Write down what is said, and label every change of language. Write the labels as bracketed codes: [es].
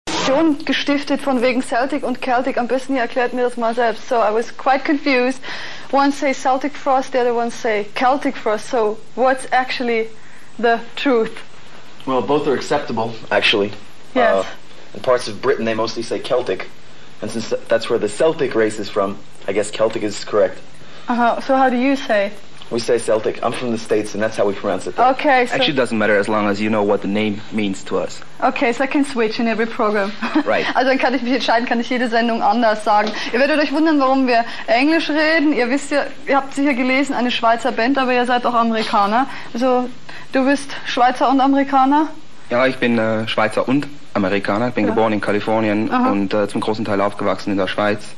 [de] Konfusion gestiftet von wegen Celtic und Celtic. Am besten ihr erklärt mir das mal selbst. [en] So, I was quite confused. One say Celtic Frost, the other one say Celtic Frost. So, what's actually the truth? Well, both are acceptable, actually. Yes. In parts of Britain, they mostly say Celtic. And since that's where the Celtic race is from, I guess Celtic is correct. Uh-huh. So how do you say? We say Celtic. I'm from the States, and that's how we pronounce it. Though. Okay. So actually, it doesn't matter as long as you know what the name means to us. Okay, so I can switch in every program. Right. [de] Also dann kann ich mich entscheiden, kann ich jede Sendung anders sagen. Ihr werdet euch wundern, warum wir Englisch reden. Ihr wisst ja, ihr habt sicher gelesen, eine Schweizer Band, aber ihr seid auch Amerikaner. Also du bist Schweizer und Amerikaner? Ja, ich bin Schweizer und Amerikaner. Ich bin geboren in Kalifornien und zum großen Teil aufgewachsen in der Schweiz.